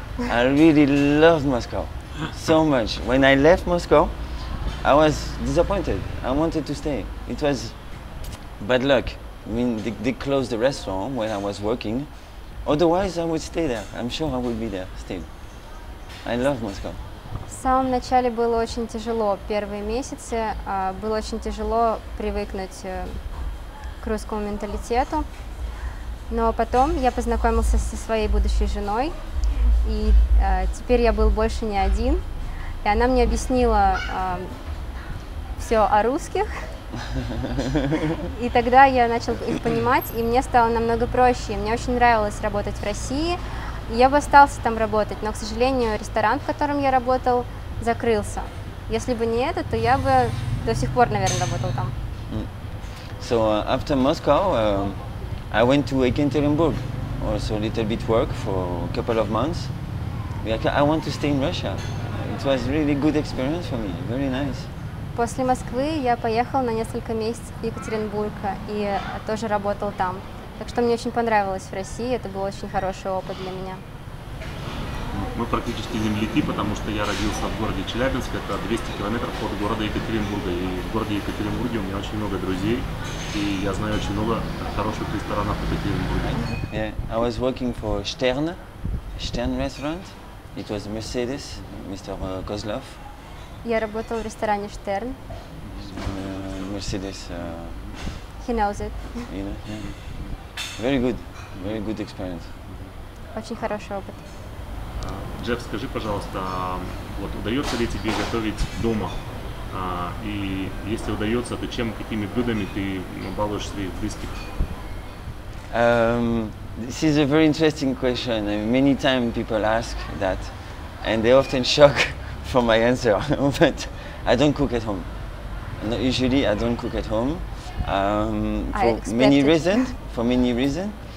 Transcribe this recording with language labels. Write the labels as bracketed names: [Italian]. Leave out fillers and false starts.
[English] I really loved Moscow so much. When I left Moscow, I was disappointed. I wanted to stay. It was bad luck. I mean, they closed the restaurant where I was working. Otherwise, I would stay there. I'm sure I would be there still. I love Moscow. [Russian] В самом начале было очень тяжело, первые месяцы было очень тяжело привыкнуть к русскому менталитету, но потом я познакомился со своей будущей женой, и теперь я был больше не один, и она мне объяснила все о русских, и тогда я начал их понимать, и мне стало намного проще, мне очень нравилось работать в России. Я бы остался там работать, но, к сожалению, ресторан, в котором я работал, закрылся. Если бы не это, то я бы до сих пор, наверное, работал там. [English] So after Moscow, I went to Екатеринбург, also a little bit work for a couple of months. I want to stay in Russia. It was really good experience for me, very nice. [Russian] После Москвы я поехал на несколько месяцев в Екатеринбург и тоже работал там. Так что мне очень понравилось в России, это был очень хороший опыт для меня. Мы практически земляки, потому что я родился в городе Челябинск, это 200 километров от города Екатеринбурга. И в городе Екатеринбурге у меня очень много друзей, и я знаю очень много хороших ресторанов в Екатеринбурге. [English] Yeah, I was working for Stern, Stern restaurant. It was Mercedes, Mr. Kozlov. [Russian] Я работал в ресторане Stern. [English] Mercedes. He knows it. You know, yeah. Very good experience. [Russian] Очень хороший опыт. Джефф, скажи, пожалуйста, вот удается ли тебе готовить дома? И если удается, то чем, какими блюдами ты балуешь своих близких? [English] This is a very interesting question. Many times people ask that, and they often shock from my answer. But I don't cook at home. No, usually I don't cook at home. For many reasons. For many reasons.